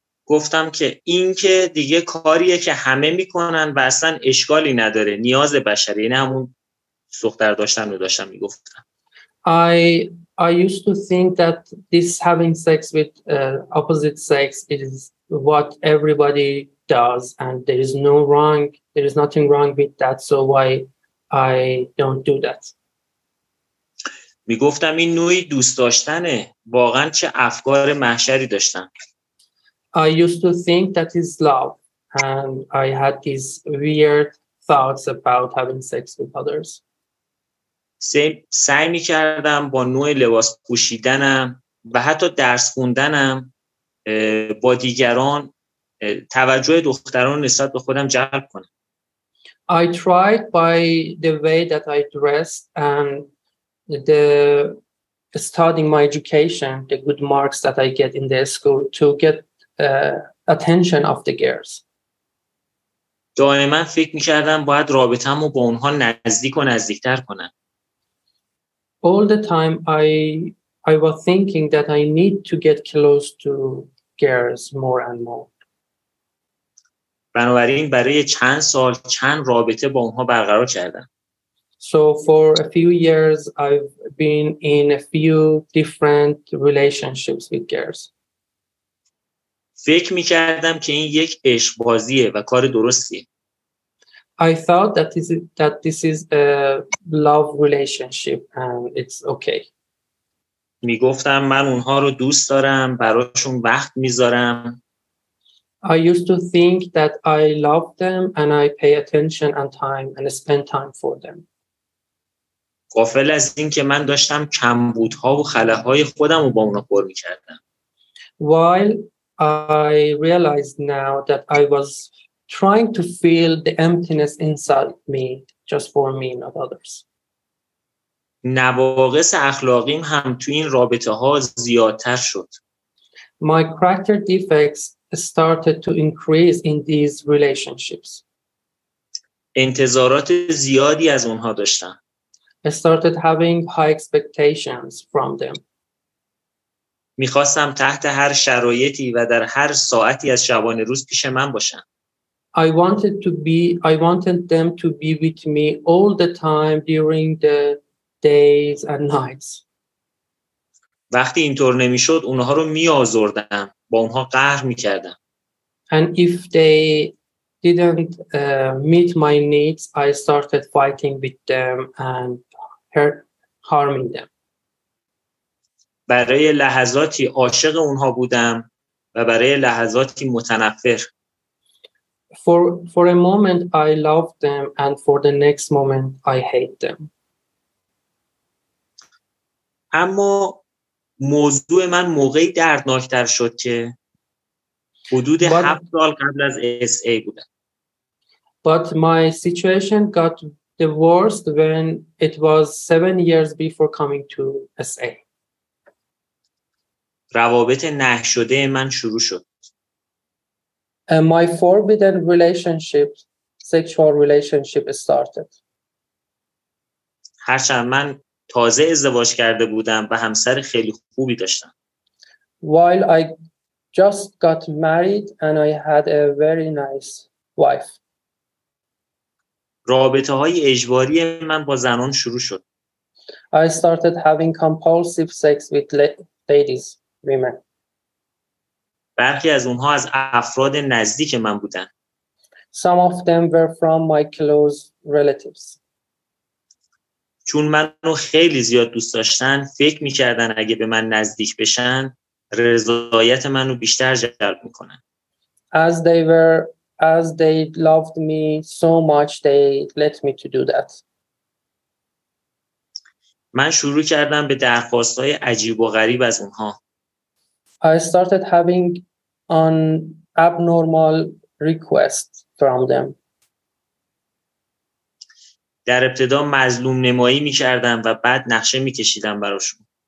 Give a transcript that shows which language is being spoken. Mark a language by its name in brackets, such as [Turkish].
[Persian] گفتم که این که دیگه کاریه که همه میکنن و اصلا اشکالی نداره نیاز بشری این همون دختر داشتن رو داشتم میگفتم. [English] I used to think that this having sex with opposite sex is what everybody does and there is nothing wrong with that, so why I don't do that. [Persian] میگفتم این نوعی دوست داشتنه. واقعا چه افکار محشری داشتم. [English] I used to think that is love and I had these weird thoughts about having sex with others. [Persian] سعی می‌کردم با نوع لباس پوشیدنم و حتی درس خوندنم با دیگران توجه دختران نسبت به خودم جلب کنم. [English] I tried by the way that I dressed and the studying my education, the good marks that I get in the school to get attention of the girls. [Persian] دائما فکر می‌کردم باید رابطه‌مو با اونها نزدیک و نزدیک‌تر کنم. [English] All the time I was thinking that I need to get close to girls more and more. [Persian] بنابراین برای چند سال چند رابطه با اونها برقرار کردم. [English] So for a few years I've been in a few different relationships with girls. [Persian] فکر می‌کردم که این یک عشق بازیه و کار درستیه. [English] I thought that this is a love relationship and it's okay. [Persian] می‌گفتم من اونها رو دوست دارم، براشون وقت می‌ذارم. [English] I used to think that I love them and I pay attention and time and spend time for them. [Persian] غافل از این که من داشتم کمبودها و خلأهای خودم رو با اونها پر می‌کردم. [English] While I realized now that I was trying to fill the emptiness inside me just for me, not others. [Persian] نواقص اخلاقیم هم تو این رابطه ها زیادتر شد. [English] My character defects started to increase in these relationships. [Persian] انتظارات زیادی از اونها داشتم. [English] I started having high expectations from them. [Persian] می‌خواستم تحت هر شرایطی و در هر ساعتی از شبانه روز پیش من باشن. [English] I wanted them to be with me all the time during the days and nights. [Persian] وقتی اینطور نمی‌شد اونها رو می‌آزردم، با اونها قهر می‌کردم. [English] And if they didn't meet my needs, I started fighting with them and harming them. [Persian] برای لحظاتی عاشق اونها بودم و برای لحظاتی متنفر. [English] For a moment I loved them and for the next moment I hate them. [Persian] اما موضوع من موقعی دردناکتر شد که حدود 7 سال قبل از SA بودم. [English] But my situation got the worst when it was 7 years before coming to SA. [Persian] روابط نهشده من شروع شد. [English] My forbidden relationship, sexual relationship started. [Persian] هرچند من تازه ازدواج کرده بودم و همسر خیلی خوبی داشتم. [English] While I just got married and I had a very nice wife. [Persian] رابطه های اجباری من با زنان شروع شد. [English] I started having compulsive sex with ladies. [Persian] برخی از اونها از افراد نزدیک من بودن. [English] Some of them were from my close relatives. [Persian] چون منو خیلی زیاد دوست داشتن، فکر می‌کردن اگه به من نزدیک بشن، رضایت منو بیشتر جلب می‌کنن. [English] As they loved me so much, they let me to do that. [Persian] من شروع کردم به درخواست‌های عجیب و غریب از اونها. [English] I started having an abnormal request from them. [Persian] در ابتدا مظلوم نمایی می کردم و بعد نقشه می کشیدم براشون.